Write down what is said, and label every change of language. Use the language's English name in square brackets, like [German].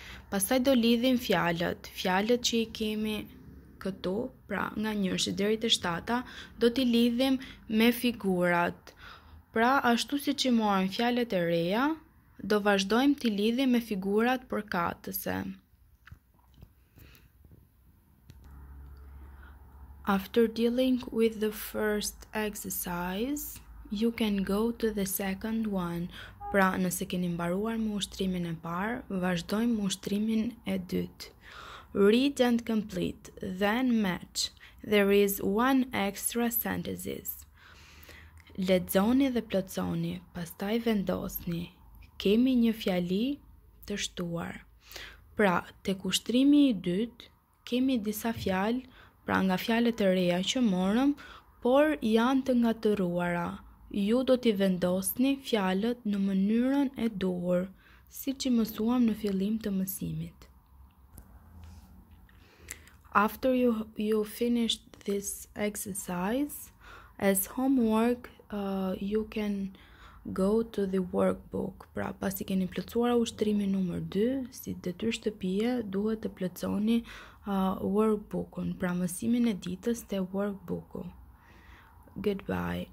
[Albanian] Pastaj do lidhim fjalët që i kemi këtu, pra nga njërshë deri te shtata, do t'i lidhim me figurat. Pra, ashtu si që morëm fjalët e reja, do vazhdojmë t'i lidhim me figurat përkatëse. [English] After dealing with the first exercise, you can go to the second one. [Albanian] Pra, nëse keni mbaruar me ushtrimin e parë, vazhdojmë me ushtrimin e dytë. [English] Read and complete, then match. There is one extra sentences. [Albanian] Lexoni dhe plotësoni, pastaj vendosni. Kemi një fjali të shtuar. Pra, tek ushtrimi i dytë, kemi disa fjalë, pra nga fjalët e reja që morëm, por janë të ngatëruara. Ju do t'i vendosni fjalët në mënyrën e duhur, si që mësuam në fillim të mësimit. [English] After you finished this exercise, as homework, you can go to the workbook. [Albanian] Pra, pasi keni plotësuar ushtrimin numër 2, si detyrë shtëpie, duhet të plotësoni workbookun, pra mësimin e ditës te workbooku. [English] Goodbye.